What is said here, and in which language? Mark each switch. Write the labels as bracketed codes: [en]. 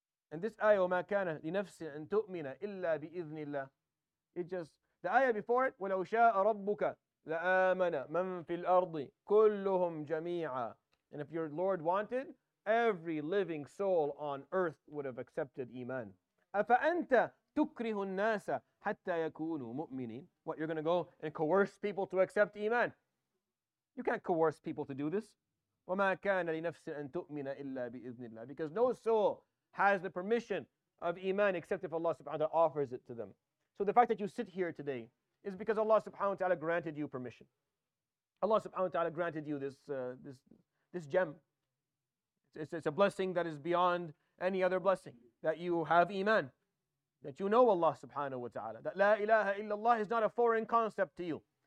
[en] And this ayah, [ar] وَمَا كَانَ لِنَفْسٍ أَن تُؤْمِنَ إِلَّا بِإِذْنِ اللَّهِ, [en] it just, the ayah before it, [ar] وَلَوْ شَاءَ رَبُّكَ لَآمَنَ مَنْ فِي الْأَرْضِ كُلُّهُمْ جَمِيعًا. [en] And if your Lord wanted, every living soul on earth would have accepted Iman. [ar] أَفَأَنْتَ تُكْرِهُ النَّاسَ حَتَّى يَكُونُوا مُؤْمِنِينَ. [en] What, you're going to go and coerce people to accept Iman? You can't coerce people to do this. [ar] وَمَا كَانَ لِنَفْسٍ أَن تُؤْمِنَ إِلَّا بِإِذْنِ اللَّهِ. [en] Because no soul has the permission of iman except if Allah subhanahu wa ta'ala offers it to them. So the fact that you sit here today is because Allah subhanahu wa ta'ala granted you permission. Allah subhanahu wa ta'ala granted you this gem. It's a blessing that is beyond any other blessing, that you have iman, that you know Allah subhanahu wa ta'ala, that la ilaha illallah is not a foreign concept to you.